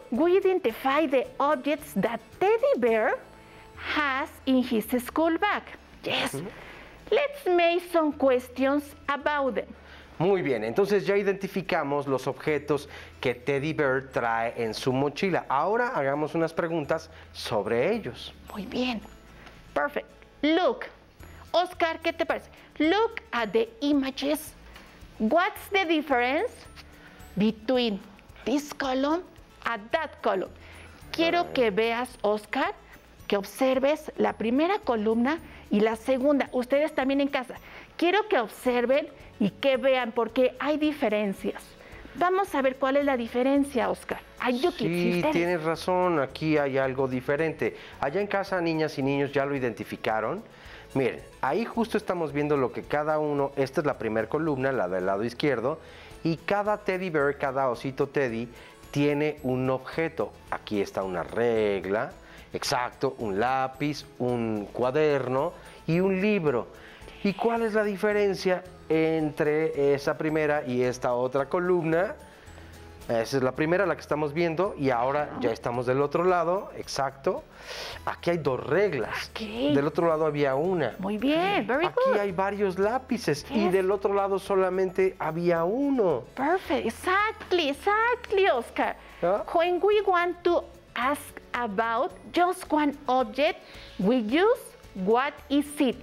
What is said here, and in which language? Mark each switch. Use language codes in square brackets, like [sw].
[en] We identify the objects that Teddy Bear has in his school bag. Yes. Let's make some questions about them. [es] Muy bien. Entonces ya identificamos los objetos que Teddy Bear trae en su mochila. Ahora hagamos unas preguntas sobre ellos. Muy bien. [en] Perfect. Look, [es] Oscar, ¿qué te parece? [en] Look at the images. What's the difference between this column and that column? [es] Quiero que veas, Oscar, que observes la primera columna y la segunda. Ustedes también en casa. Quiero que observen y que vean porque hay diferencias. Vamos a ver cuál es la diferencia, Oscar. Sí, tienes razón, aquí hay algo diferente. Allá en casa, niñas y niños ya lo identificaron. Miren, ahí justo estamos viendo lo que cada uno, esta es la primera columna, la del lado izquierdo, y cada teddy bear, cada osito teddy, tiene un objeto. Aquí está una regla, exacto, un lápiz, un cuaderno y un libro. ¿Y cuál es la diferencia entre esa primera y esta otra columna? Esa es la primera, la que estamos viendo, y ahora ya estamos del otro lado, exacto. Aquí hay dos reglas. ¿Qué? Del otro lado había una. Muy bien, [en] very good. [es] Aquí hay varios lápices, yes. Y del otro lado solamente había uno. [en] Perfect, exactly, exactly, Oscar. ¿Ah? When we want to ask about just one object, we use what is it.